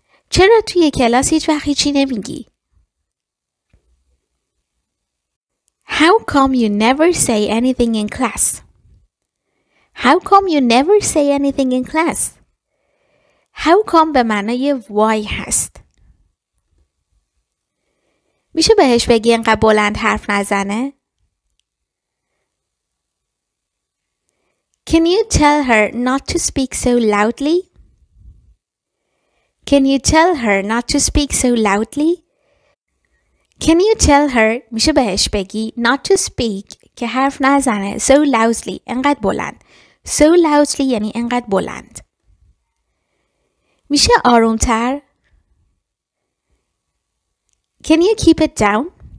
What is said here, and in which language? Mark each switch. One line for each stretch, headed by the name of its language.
Persian: چرا توی کلاس هیچ وقت هیچی نمیگی؟
English: How come you never say anything in class? How come you never say anything in class? How come به معنی why هست.
Persian: میشه بهش بگی انقدر بلند حرف نزنه؟
English: Can you tell her not to speak so loudly? Can you tell her not to speak so loudly? Can you tell her,
Persian: میشه بهش بگی,
English: not to speak,
Persian: که حرف نزنه,
English: so loudly,
Persian: انقدر بلند.
English: So loudly
Persian: یعنی انقدر بلند. میشه آرومتر.
English: Can you keep it down?